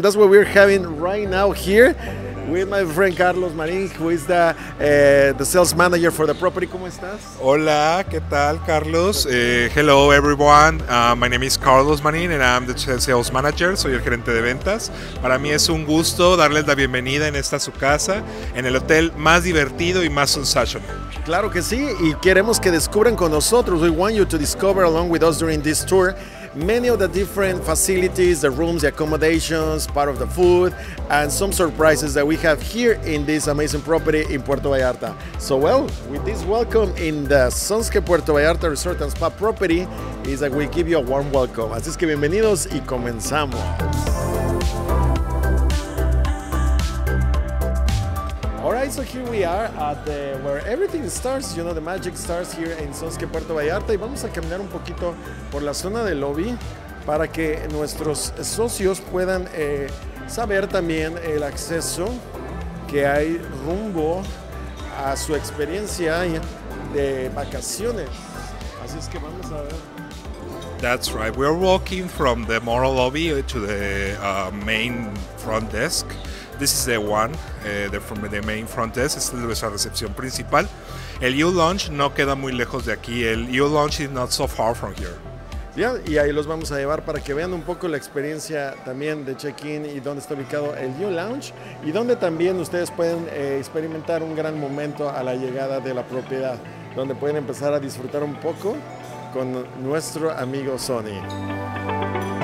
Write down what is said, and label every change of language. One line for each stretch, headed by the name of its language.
English: That's what we're having right now here with my friend Carlos Marín, who is the sales manager for the property.
Spanish: ¿Cómo estás? Hola, ¿qué tal, Carlos?
English: Hello, everyone. My name is Carlos Marín, and I'm the sales manager.
Spanish: Soy el gerente de ventas. Para mí es un gusto darles la bienvenida en esta su casa, en el hotel más divertido y más sensational. Claro que sí, y queremos que descubran con nosotros.
English: We want you to discover along with us during this tour many of the different facilities, the rooms, the accommodations, part of the food, and some surprises that we have here in this amazing property in Puerto Vallarta. So, well, with this welcome in the Sunscape Puerto Vallarta Resort and Spa property, is that we give you a warm welcome.
Spanish: Así es que bienvenidos y comenzamos.
English: Alright, so here we are at the, where everything starts, you know, the magic starts here in Sunscape Puerto Vallarta,
Spanish: y vamos a caminar un poquito por la zona del lobby para que nuestros socios puedan saber también el acceso que hay rumbo a su experiencia de vacaciones. Así es que vamos a ver.
English: That's right, we are walking from the Moro lobby to the main front desk. This is the one, the main front desk.
Spanish: Esta es nuestra recepción principal. El U-Lounge no queda muy lejos de aquí.
English: El U-Lounge is not so far from here.
Spanish: Yeah, y ahí los vamos a llevar para que vean un poco la experiencia también de check-in y dónde está ubicado el U-Lounge y dónde también ustedes pueden experimentar un gran momento a la llegada de la propiedad, donde pueden empezar a disfrutar un poco con nuestro amigo Sony.